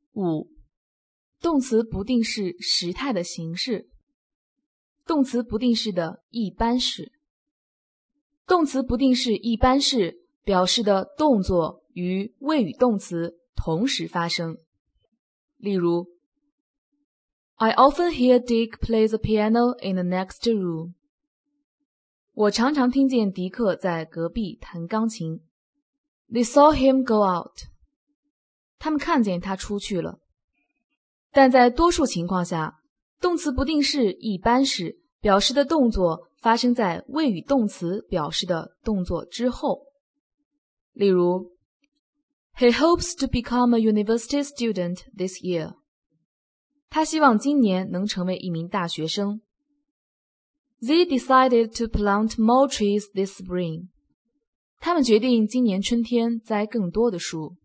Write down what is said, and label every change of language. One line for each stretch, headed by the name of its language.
Chinese: 五，动词不定式时态的形式，动词不定式的一般式。动词不定式一般式表示的动作与谓语动词同时发生。例如
English: I often hear Dick play the piano in the next room.
Chinese: 我常常听见迪克在隔壁弹钢琴。
English: They saw him go out.
Chinese: 他们看见他出去了。但在多数情况下，动词不定式一般式表示的动作发生在谓语动词表示的动作之后。例如
English: He hopes to become a university student this year.
Chinese: 他希望今年能成为一名大学生。
English: They decided to plant more trees this spring.
Chinese: 他们决定今年春天栽更多的树。